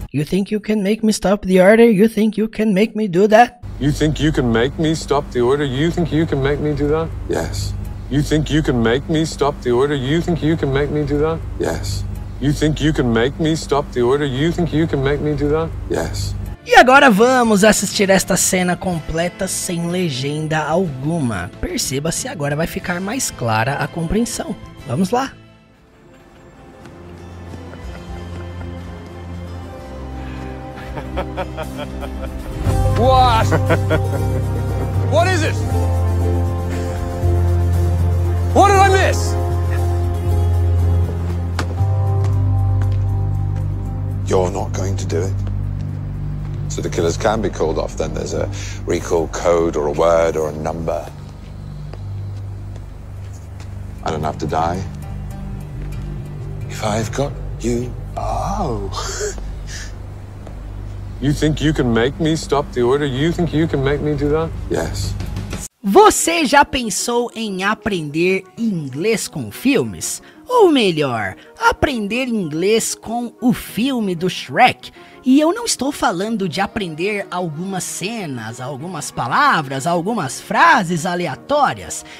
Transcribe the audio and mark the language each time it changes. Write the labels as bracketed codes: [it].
[en] You think you can make me stop the order? You think you can make me do that? You think you can make me stop the order? You think you can make me do that? Yes. You think you can make me stop the order? You think you can make me do that? Yes. You think you can make me stop the order? You think you can make me do that? Yes. [pt] E agora vamos assistir esta cena completa sem legenda alguma. Perceba se agora vai ficar mais clara a compreensão. Vamos lá. [en] What? What is it? What did I miss? You're not going to do it. So the killers can be called off, then there's a recall code or a word or a number. I don't have to die. If I've got you. Oh. You think you can make me stop the order? You think you can make me do that? Yes. [pt] Você já pensou em aprender inglês com filmes? Ou melhor, aprender inglês com o filme do Shrek? E eu não estou falando de aprender algumas cenas, algumas palavras, algumas frases aleatórias.